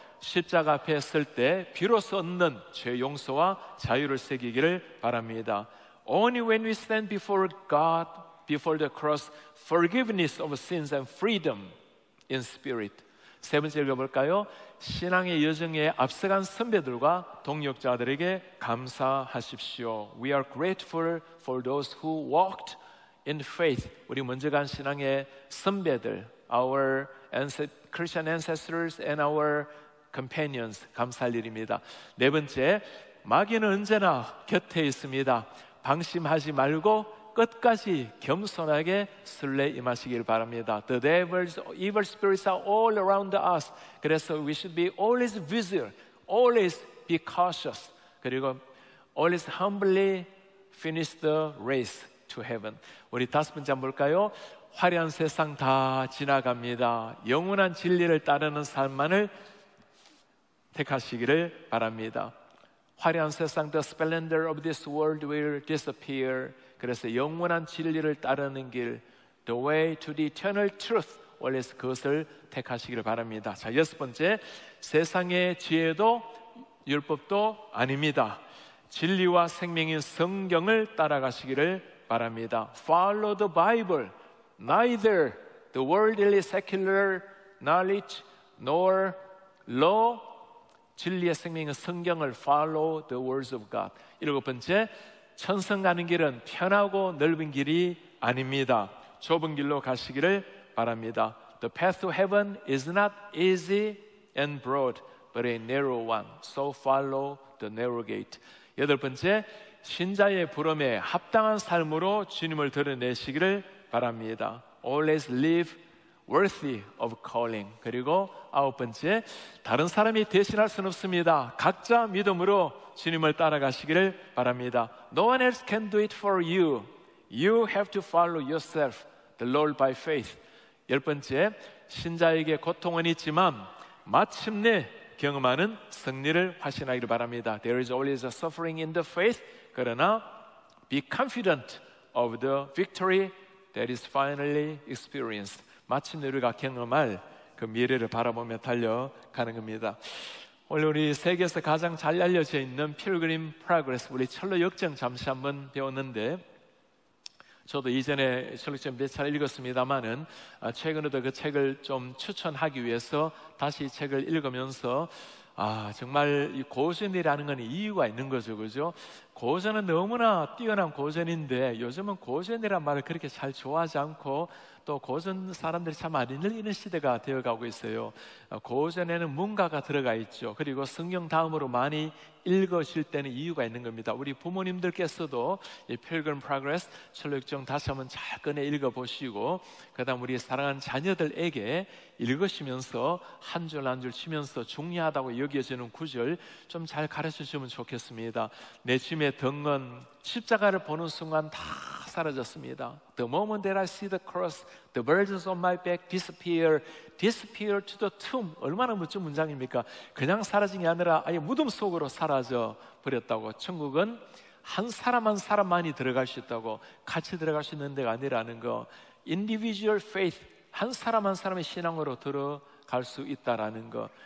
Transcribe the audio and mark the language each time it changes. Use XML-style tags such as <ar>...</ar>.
<ko>십자가 앞에 있을 때 비로소 얻는 죄 용서와 자유를 새기기를 바랍니다.</ko> <en>Only when we stand before God, before the cross, forgiveness of sins and freedom in spirit.</en> <ko>세 번째 읽어볼까요? 신앙의 여정에 앞서간 선배들과 동역자들에게 감사하십시오.</ko> <en>We are grateful for those who walked in faith.</en> <ko>우리 먼저 간 신앙의 선배들,</ko> <en>our Christian ancestors and our companions.</en> <ko>감사할 일입니다. 네 번째, 마귀는 언제나 곁에 있습니다. 방심하지 말고 끝까지 겸손하게 순례 임하시길 바랍니다.</ko> <en>The devil's evil spirits are all around us. 그래서 we should be always vigilant, always be cautious. 그리고 or at least humbly finish the race to heaven.</en> <ko>우리 다섯 번째 한번 볼까요? 화려한 세상 다 지나갑니다. 영원한 진리를 따르는 삶만을 택하시기를 바랍니다. 화려한 세상,</ko> <en>the splendor of this world will disappear.</en> <ko>그래서 영원한 진리를 따르는 길,</ko> <en>the way to the eternal truth,</en> <ko>always 그것을 택하시기를 바랍니다. 자, 여섯 번째, 세상의 지혜도 율법도 아닙니다. 진리와 생명인 성경을 따라가시기를 바랍니다.</ko> <en>Follow the Bible, neither the worldly secular knowledge nor law.</en> <ko>진리의 생명인 성경을</ko> <en>follow the words of God.</en> <ko>일곱 번째, 천성 가는 길은 편하고 넓은 길이 아닙니다. 좁은 길로 가시기를 바랍니다.</ko> <en>The path to heaven is not easy and broad, but a narrow one. So follow the narrow gate.</en> <ko>여덟 번째, 신자의 부름에 합당한 삶으로 주님을 드러내시기를 바랍니다.</ko> <en>Always live worthy of calling.</en> <ko>그리고 아홉 번째, 다른 사람이 대신할 수는 없습니다. 각자 믿음으로 주님을 따라가시기를 바랍니다.</ko> <en>No one else can do it for you. You have to follow yourself, the Lord by faith.</en> <ko>열 번째, 신자에게 고통은 있지만 마침내 경험하는 승리를 확신하기를 바랍니다.</ko> <en>There is always a suffering in the faith. 그러나 be confident of the victory that is finally experienced.</en> <ko>마침내 우리가 경험할 그 미래를 바라보며 달려가는 겁니다. 오늘 우리 세계에서 가장 잘 알려져 있는 필그림 프로그레스, 우리 철로 역정 잠시 한번 배웠는데, 저도 이전에 철로 역정 몇 차례 읽었습니다만은 최근에도 그 책을 좀 추천하기 위해서 다시 이 책을 읽으면서, 아, 정말 이 고전이라는 건 이유가 있는 거죠, 그죠? 고전은 너무나 뛰어난 고전인데 요즘은 고전이란 말을 그렇게 잘 좋아하지 않고, 또 고전 사람들이 참 많이 늘리는 시대가 되어가고 있어요. 고전에는 문가가 들어가 있죠. 그리고 성경 다음으로 많이 읽으실 때는 이유가 있는 겁니다. 우리 부모님들께서도 이 필그림 프로그레스 철로역정 다시 한번 잘 꺼내 읽어보시고, 그 다음 우리 사랑하는 자녀들에게 읽으시면서 한 줄 한 줄 치면서 중요하다고 여겨지는 구절 좀 잘 가르쳐주시면 좋겠습니다. 내 짐의 덩은 십자가를 보는 순간 다 사라졌습니다.</ko> <en>The moment that I see the cross, the burdens on my back disappear, disappear to the tomb.</en> <ko>얼마나 멋진 문장입니까? 그냥 사라진 게 아니라 아예 무덤 속으로 사라져 버렸다고. 천국은 한 사람 한 사람만이 들어갈 수 있다고, 같이 들어갈 수 있는 데가 아니라는 거.</ko> <en>Individual faith,</en> <ko>한 사람 한 사람의 신앙으로 들어갈 수 있다라는 거.</ko>